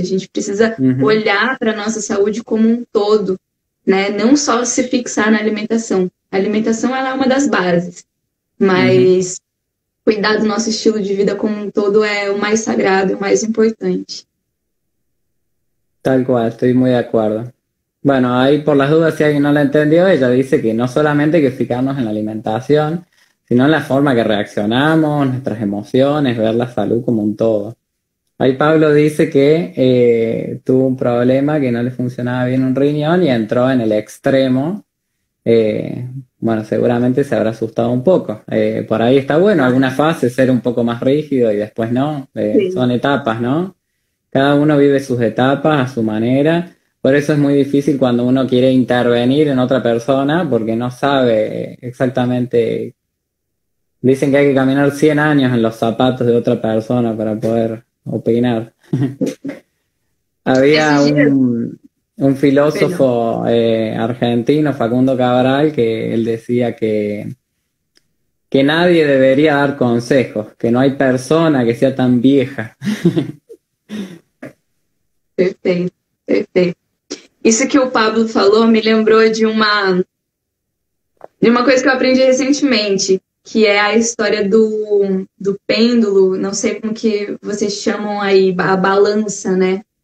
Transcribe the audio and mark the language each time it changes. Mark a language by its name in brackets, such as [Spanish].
[Portuguese] A gente precisa olhar para a nossa saúde como um todo, né? Não só se fixar na alimentação. A alimentação, ela é uma das bases, mas cuidar do nosso estilo de vida como um todo é o mais sagrado, o mais importante. [Spanish] Tal cual, estoy muy de acuerdo. Bueno, ahí por las dudas, si alguien no la entendió, ella dice que no solamente hay que fijarnos en la alimentación, sino la forma que reaccionamos, nuestras emociones, ver la salud como un todo. Ahí Pablo dice que tuvo un problema que no le funcionaba bien un riñón y entró en el extremo Bueno, seguramente se habrá asustado un poco. Por ahí está bueno, alguna fase ser un poco más rígido y después no. Son etapas, ¿no? Cada uno vive sus etapas a su manera. Por eso es muy difícil cuando uno quiere intervenir en otra persona porque no sabe exactamente. Dicen que hay que caminar 100 años en los zapatos de otra persona para poder opinar. Había Esos días, un pero filósofo argentino, Facundo Cabral, que él decía que nadie debería dar consejos, que no hay persona que sea tan vieja. [Portuguese] perfeito, perfeito. Isso que o Pablo falou me lembrou de uma coisa que eu aprendi recentemente, que é a história do pêndulo, não sei como que vocês chamam aí, a balança, né?